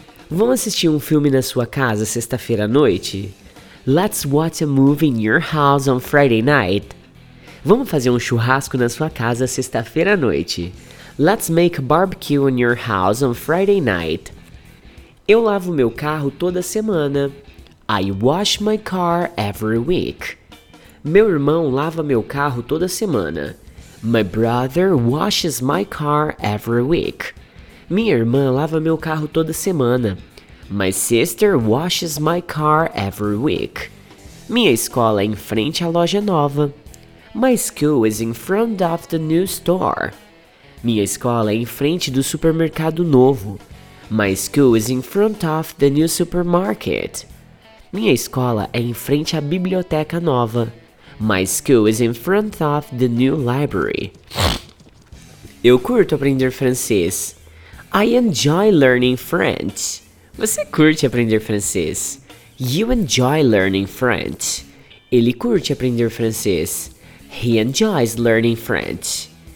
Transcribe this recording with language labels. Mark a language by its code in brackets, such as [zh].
[pt] Vão assistir um filme na sua casa sexta-feira à noite? [en] Let's watch a movie in your house on Friday night. [pt] Vamos fazer um churrasco na sua casa sexta-feira à noite. [en] Let's make a barbecue in your house on Friday night. [pt] Eu lavo meu carro toda semana. [en] I wash my car every week. [pt] Meu irmão lava meu carro toda semana. [en] My brother washes my car every week. [pt] Minha irmã lava meu carro toda semana. [en] My sister washes my car every week. [pt] Minha escola é em frente à loja nova. [en] My school is in front of the new store. [pt] Minha escola é em frente do supermercado novo. [en] My school is in front of the new supermarket. [pt] Minha escola é em frente à biblioteca nova. [en] My school is in front of the new library. [pt] Eu curto aprender francês. [en] I enjoy learning French. [pt] Você curte aprender francês. [en] You enjoy learning French. [pt] Ele curte aprender francês. [en] He enjoys learning French.